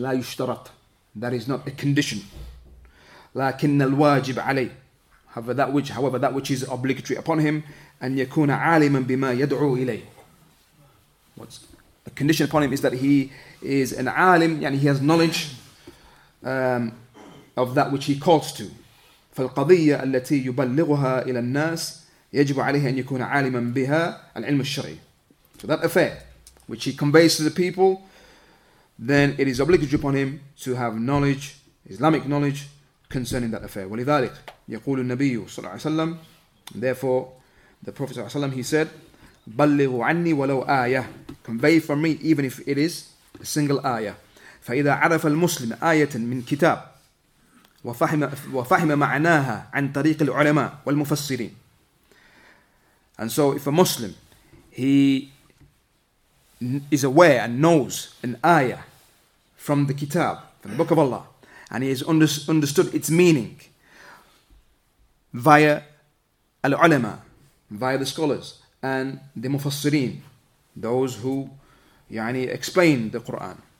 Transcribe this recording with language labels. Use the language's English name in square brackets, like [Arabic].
[Arabic] لا يشترط. [English] That is not a condition. [Arabic] لكن الواجب عليه. [English] However, that which is obligatory upon him, [Arabic] أن يكون عالما بما يدعو إليه. [English] What's a condition upon him is that he is an عالم, يعني he has knowledge of that which he calls to. [Arabic] فالقضية التي يبلغها إلى الناس يجب عليه أن يكون عالما بها العلم الشرعي. [English] So that affair which he conveys to the people, then it is obligatory upon him to have knowledge, Islamic knowledge, concerning that affair. [Arabic] ولذلك يقول النبي صلى الله عليه وسلم, [English] therefore the Prophet صلى الله عليه وسلم, he said, [Arabic] بلغوا عني ولو آية, [English] convey from me even if it is a single آية. [Arabic] فإذا عرف المسلم آية من كتاب وفهم معناها عن طريق العلماء والمفسرين. [English] And so if a Muslim, he is aware and knows an آية from the Kitab, from the Book of Allah, and he has understood its meaning via al-ulama, via the scholars and the mufassirin, those who يعني explain the Quran.